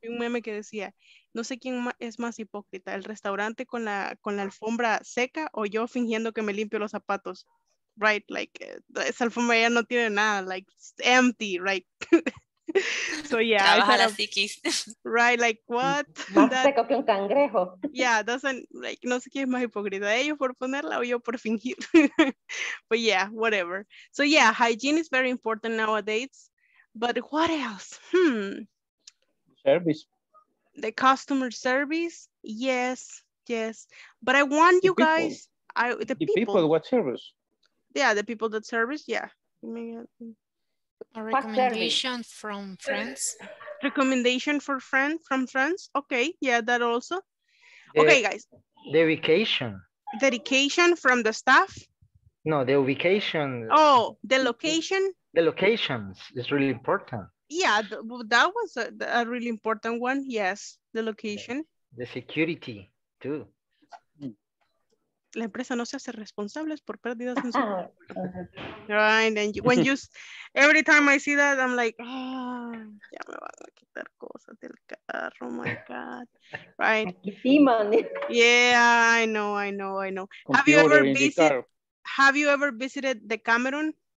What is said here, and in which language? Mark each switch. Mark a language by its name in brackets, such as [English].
[Spanish] Un meme que decía, no sé quién es más hipócrita, el restaurante con la alfombra seca o yo fingiendo que me limpio los zapatos, right? Like, esa alfombra ya no tiene nada, like, [English] it's empty, right? So yeah, right, like what? [Spanish] Seco que un cangrejo. [English] Yeah, doesn't, like, [Spanish] no sé quién es más hipócrita, ellos por ponerla o yo por fingir. [English] But yeah, whatever. So yeah, hygiene is very important nowadays, But what else? Service. The customer service. Yes, yes. But I want the people. What service? Yeah, the people that service. Yeah. A recommendation from friends. Recommendation for friends from friends. Okay, yeah, that also. Okay, guys. Dedication. Dedication from the staff. No, the ubication. Oh, the location. The locations is really important. Yeah, that was a really important one. Yes, the location. The security too. [Spanish] La empresa no se hace responsable por pérdidas en su. [English] Right, and when you, every time I see that, I'm like, ah, oh, [Spanish] ya me van a quitar cosas del carro, [English] my God. Right. [Spanish] Aquí sí, man. [English] Yeah, I know, I know, I know. Computer, have you ever visited? Have you ever visited the Cameroon?